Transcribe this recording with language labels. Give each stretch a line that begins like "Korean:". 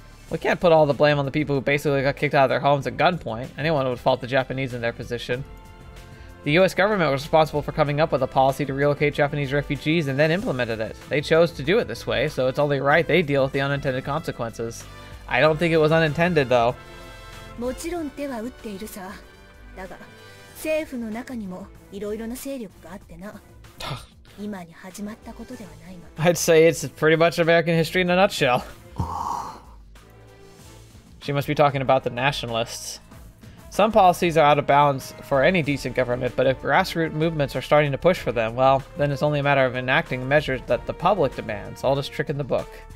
English: We can't put all the blame on the people who basically got kicked out of their homes at gunpoint. Anyone would fault the Japanese in their position. The US government was responsible for coming up with a policy to relocate Japanese refugees and then implemented it. They chose to do it this way, so it's only right they deal with the unintended consequences. I don't think it was unintended, though.
Japanese: もちろん手は打っているさ。だが、政府の中にもいろいろな勢力があってな。今に始まったことではないが。
English: I'd say it's pretty much American history in a nutshell. She must be talking about the nationalists. Some policies are out of bounds for any decent government, but if grassroots movements are starting to push for them, well, then it's only a matter of enacting measures that the public demands. All this trick in the book.